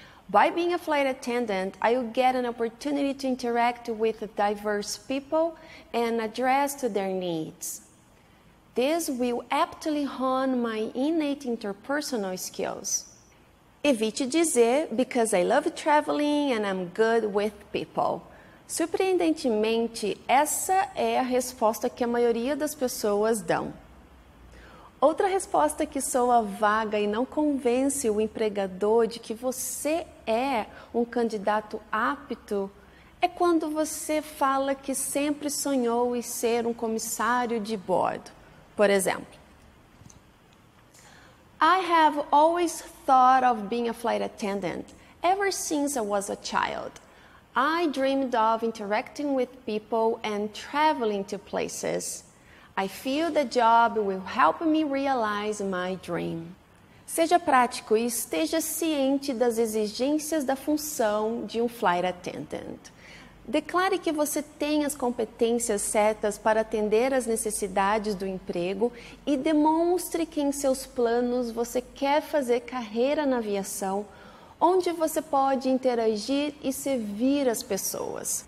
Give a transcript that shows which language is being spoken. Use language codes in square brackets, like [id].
[en] By being a flight attendant, I will get an opportunity to interact with diverse people and address to their needs. This will aptly hone my innate interpersonal skills. [pt] Evite dizer, [en] because I love traveling and I'm good with people. [pt] Surpreendentemente, essa é a resposta que a maioria das pessoas dão. Outra resposta que soa vaga e não convence o empregador de que você é um candidato apto é quando você fala que sempre sonhou em ser um comissário de bordo. Por exemplo, [en] I have always thought of being a flight attendant ever since I was a child. I dreamed of interacting with people and traveling to places. I feel the job will help me realize my dream. [pt] Seja prático e esteja ciente das exigências da função de um flight attendant. Declare que você tem as competências certas para atender às necessidades do emprego e demonstre que em seus planos você quer fazer carreira na aviação, onde você pode interagir e servir as pessoas.